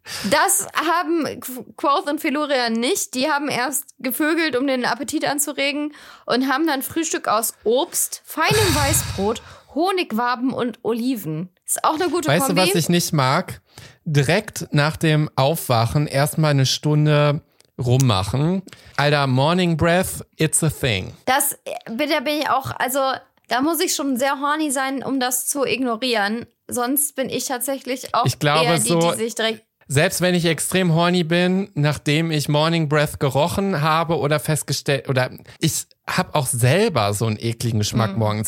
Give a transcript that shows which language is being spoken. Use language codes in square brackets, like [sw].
[de] Das haben Quoth und Felurian nicht. Die haben erst gevögelt, um den Appetit anzuregen und haben dann Frühstück aus Obst, feinem Weißbrot, Honigwaben und Oliven. Ist auch eine gute weißt Kombi. Weißt du, was ich nicht mag? Direkt nach dem Aufwachen erstmal eine Stunde rummachen. [en] Alter, Morning Breath, it's a thing. [de] Das da bin ich auch, also da muss ich schon sehr horny sein, um das zu ignorieren. Sonst bin ich tatsächlich auch ich glaube, eher die sich direkt... Selbst wenn ich extrem horny bin, nachdem ich Morning Breath gerochen habe oder festgestellt, oder ich habe auch selber so einen ekligen Geschmack morgens.